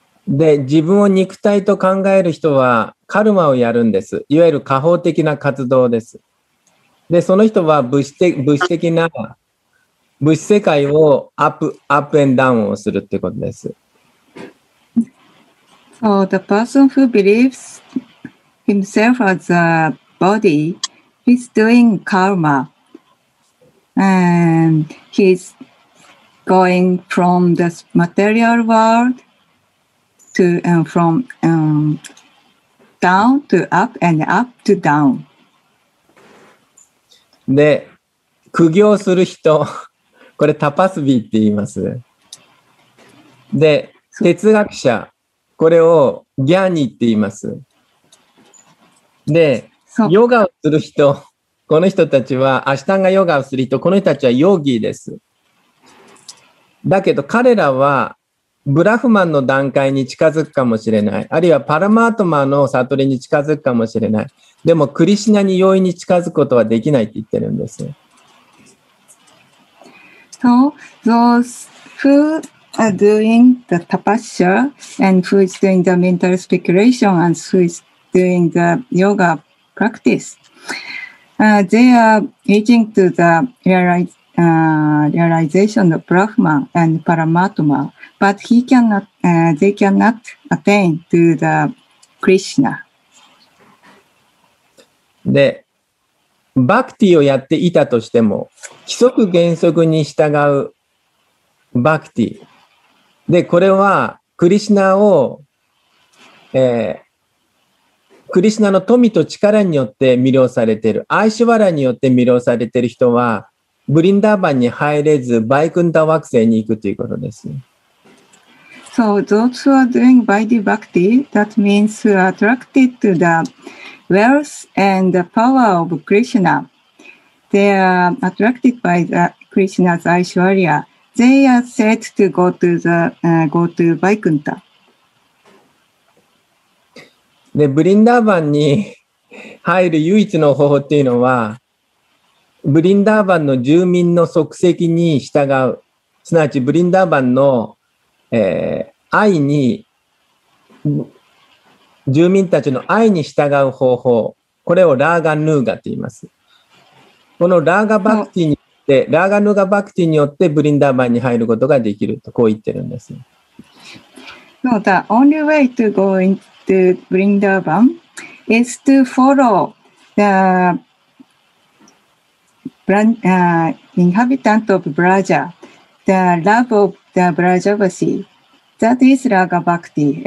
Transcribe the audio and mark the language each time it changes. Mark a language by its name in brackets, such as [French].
[Japanese] で、自分を肉体と考える人はカルマをやるんです。いわゆる過法的な活動です。で、その人は物質世界をアップエンダウンをするってことです。 [English] So the person who believes himself as a body is doing karma. And he's going from the material world down to up and up to down. [Japanese] で、苦行する人、これタパスビーって言います。で、哲学者、これをギャーニーって言います。で、ヨガをする人、この人たちは、アシタンガヨガをする人、この人たちはヨーギーです。だけど彼らは、ブラフマンの段階に近づくかもしれない。あるいはパラマートマの悟りに近づくかもしれない。でも、クリシナに容易に近づくことはできないって言ってるんです。 [English] So, those who are doing the tapasya and who is doing the mental speculation and who is doing the yoga practice,they are reaching to the realization of Brahman and Paramatma, but they cannot attain to the Krishna. [Japanese] で、バクティをやっていたとしても、規則原則に従うバクティ。で、これはクリシナを、クリシナの富と力によって魅了されている。アイシュワラによって魅了されている人は、ブリンダーバンに入れず、バイクンダ惑星に行くということです。 [English] So, those who are doing Vaidhi Bhakti, that means who are attracted to the wealth and the power of Krishna. They are attracted by the Krishna's Aishwarya. They are said to go to Vaikuntha. [Japanese] で、ブリンダーバンに入る唯一の方法っていうのは、ブリンダーバンの住民の足跡に従う、すなわちブリンダーバンの、愛に、住民たちの愛に従う方法、これをラーガヌーガと言います。このラーガバクティによって、ラーガヌーガバクティによってブリンダーバンに入ることができると、こう言ってるんです。 [English] No, the only way to go into Vrindavan is to follow theinhabitant of Braja, the love of the Brajavasi, that is Raga Bhakti.